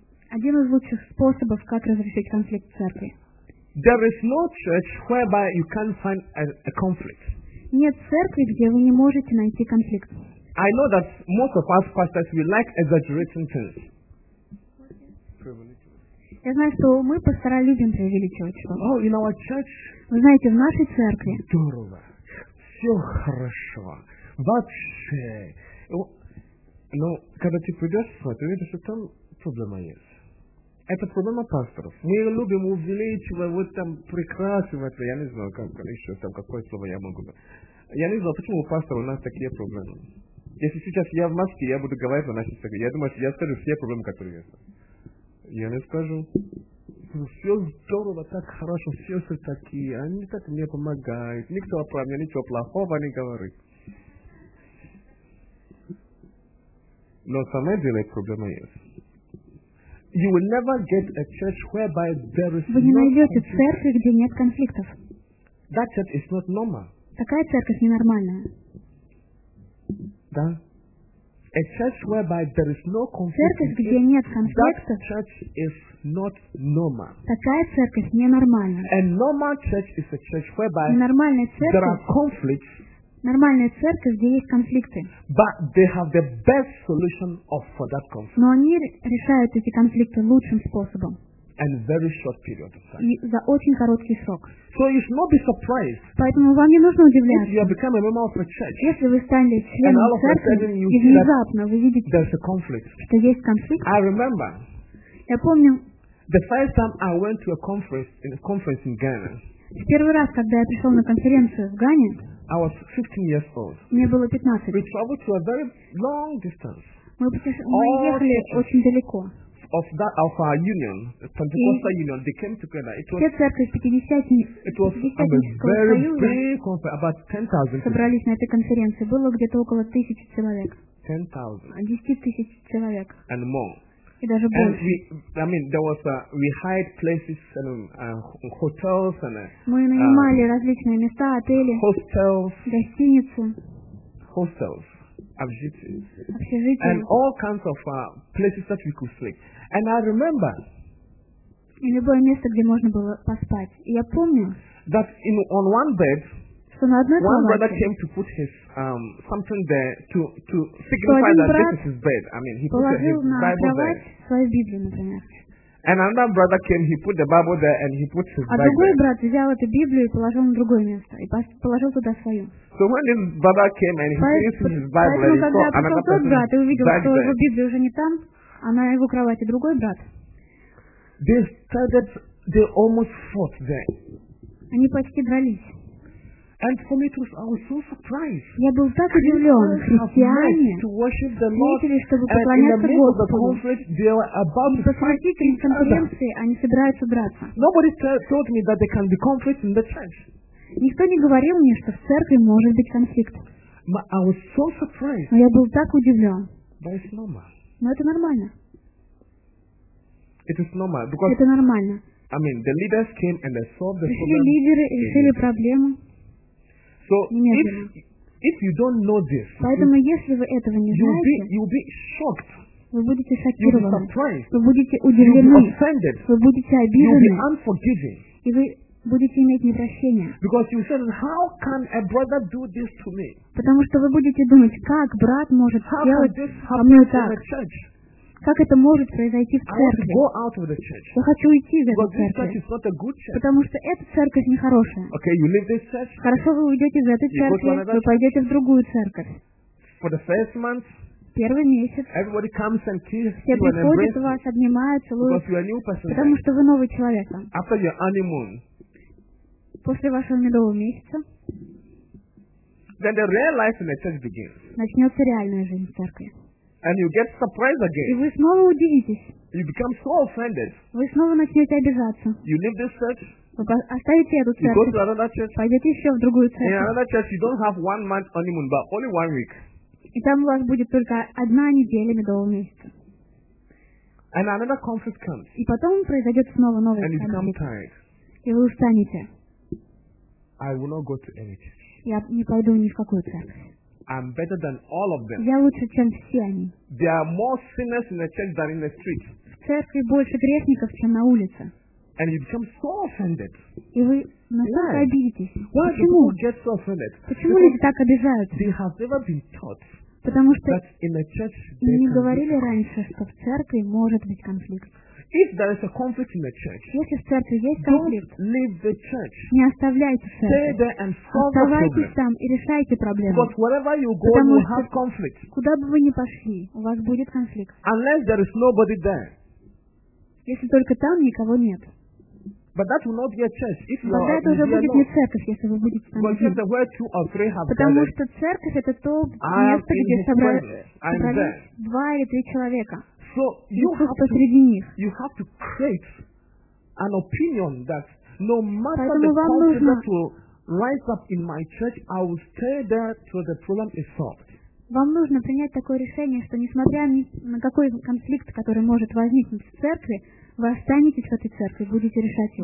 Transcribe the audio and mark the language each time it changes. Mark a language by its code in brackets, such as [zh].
[ru] Один из лучших способов, как разрешить конфликт в церкви. [en] There is no church whereby you can't find a conflict. [ru] Нет церкви, где вы не можете найти конфликт. [en] I know that most of us pastors we like exaggerating things. [ru] Я знаю, что мы пастора любим преувеличивать что-то. [en] Oh, in our church. [ru] Вы знаете, в нашей церкви. Здорово. Все хорошо. Вообще. Но когда ты придешь сюда, ты видишь, что там проблема есть. Это проблема пасторов. Мы любим увеличивать, вот там прекрасно. Я не знаю, как еще там какое слово я могу. Я не знаю, почему у пасторов у нас такие проблемы. Если сейчас я в маске, я буду говорить о нашей церкви. Я думаю, что я скажу все проблемы, которые есть. Я не скажу. Все здорово, так хорошо, все такие. Они так мне помогают. Никто про меня ничего плохого не говорит. Но самое дело, проблема есть. [en] You will never get a church whereby there is [ru] Вы не найдете церкви, где нет конфликтов. [en] That church is not normal. [ru] Такая церковь ненормальная. Да. [en] A church whereby there is no conflict. [ru] Церковь, где нет конфликтов. [en] That church is not normal. [ru] Такая церковь ненормальная. [en] A normal church is a church whereby [ru] Ненормальная церковь. [en] There are conflicts. [ru] Нормальная церковь, где есть конфликты. [en] But they have the best solution for that conflict. [ru] Но они решают эти конфликты лучшим способом. [en] And very short period of time. [ru] И за очень короткий срок. [en] So you should not be surprised. [ru] Поэтому вам не нужно удивляться. [en] If you have become a member of a church, [ru] если вы стали членом церкви, и внезапно вы видите, [en] there's a conflict. [ru] Что есть конфликт. [en] I remember. [ru] Я помню. [en] The first time I went to a conference in Ghana. [ru] В первый раз, когда я пришел на конференцию в Гане. [en] I was 15 years old. [ru] Мне было 15. [en] We traveled to a very long distance. [ru] Мы ехали очень далеко. [en] Of that of our union, Pentecostal union, they came together. It was. [ru] Все церкви пятидесятнического союза. Собрались на этой конференции. Было где-то около 1000 человек. [en] 10,000. [ru] 10,000 человек. [en] And more. [ru] И даже больше. [en] We hired places and hotels and. [ru] Мы нанимали различные места, отели. [en] Hostels. [ru] Гостиницы. [en] Hostels. [ru] Общежития. [en] And all kinds of places that we could sleep. And I remember. [ru] И любое место, где можно было поспать. И я помню. [en] That in on one bed. [ru] Что на одной кровати. [en] One brother came to put his something there to signify that this is his bed. I mean, he put his Bible there. [ru] Положил на кровать свою Библию, например. [en] And another brother came. He put the Bible there and he put his Bible. [ru] А другой брат взял эту Библию и положил на другое место и положил туда свою. [en] So when his brother came and he placed his Bible there, another person. [ru] Поэтому когда пришел тот брат и увидел, что его Библия уже не там. А на его кровати другой брат. [en] They started, they almost fought there. [ru] Они почти дрались. [en] And for me it was, I was so surprised. [ru] Я был так удивлен. Христиане встретились, чтобы поклоняться Господу. [en] They were about to fight [ru] in конференции, они собираются драться. [en] Nobody told me that there can be conflict in the church. [ru] Никто не говорил мне, что в церкви может быть конфликт. [en] But I was so surprised. [ru] Но я был так удивлен. [en] That is normal. [ru] Но это нормально. [en] It is normal because, [ru] это нормально. [en] I mean, the leaders came and they solved the [ru] Пришли [en] problem. [ru] Лидеры и решили проблему. [en] So if you don't know this, [ru] поэтому если вы этого не знаете, [en] you'll be shocked. [ru] Вы будете шокированы. [en] You'll be surprised. [ru] Вы будете удивлены. [en] You'll be offended. [ru] Вы будете обижены. [en] You'll be unforgiving. [ru] И вы будете иметь непрощение. [en] Because you said, how can a brother do this to me? [ru] Потому что вы будете думать, как брат может сделать со мной так? Как это может произойти в церкви? [en] I go out of the church. [ru] Я хочу уйти из этой церкви. Потому что эта церковь нехорошая. [en] Okay, you leave this church. [ru] Хорошо, вы уйдете из этой церкви, вы пойдете в другую церковь. [en] For the first month, [ru] первый месяц. [en] Everybody comes and kisses [ru] все приходят вас, обнимают, целуют. Потому что вы новый человек. [en] After your honeymoon. [ru] После вашего медового месяца. [en] Then the real life in the church begins. [ru] Начнется реальная жизнь в церкви. [en] And you get surprised again. [ru] И вы снова удивитесь. [en] You become so offended. [ru] Вы снова начнете обижаться. [en] You leave this church. [ru] Вы оставите эту церковь. [en] You go to another church. [ru] Пойдете еще в другую церковь. [en] In another church you don't have one month honeymoon, but only one week. [ru] И там у вас будет только одна неделя медового месяца. [en] And another conflict comes. [ru] И потом произойдет снова новый [en] and [ru] конфликт. [en] You become tired. [ru] И вы устанете. [en] I will not go to any church. [ru] Я не пойду ни в какую церковь. [en] I'm better than all of them. [ru] Я лучше, чем все они. [en] There are more sinners in the church than in the street. [ru] В церкви больше грешников, чем на улице. [en] And you become so offended. [ru] И вы настолько обидитесь. [en] Why? [ru] Почему? [en] People get so offended? [ru] Почему люди так обижаются? [en] They have never been taught. [ru] Потому что [en] that in the church [ru] не говорили раньше, что в церкви может быть конфликт. [en] If there is a conflict in the church, [ru] если в церкви есть конфликт, [en] don't leave the church. [ru] Не оставляйте церковь. [en] Stay there and solve the problem. [ru] Оставайтесь там и решайте проблему. [en] But wherever you go, [ru] потому [en] you have conflict. [ru] Куда бы вы ни пошли, у вас будет конфликт. [en] Unless there is nobody there. [ru] Если только там никого нет. [en] But that will not be a church. If you are, [ru] тогда это уже будет не церковь, если вы будете там. [en] Because the word two or three have gathered. [ru] Потому что церковь это то место, где собрались два или три человека. [en] So you have to [ru] посреди них. [en] You have to create an opinion that no matter [ru] поэтому [en] the conflict that will rise up in my church, I will stay there till the problem is solved. [ru] Вам нужно принять такое решение, что несмотря ни на какой конфликт, который может возникнуть в церкви, вы останетесь в этой церкви, будете решать его.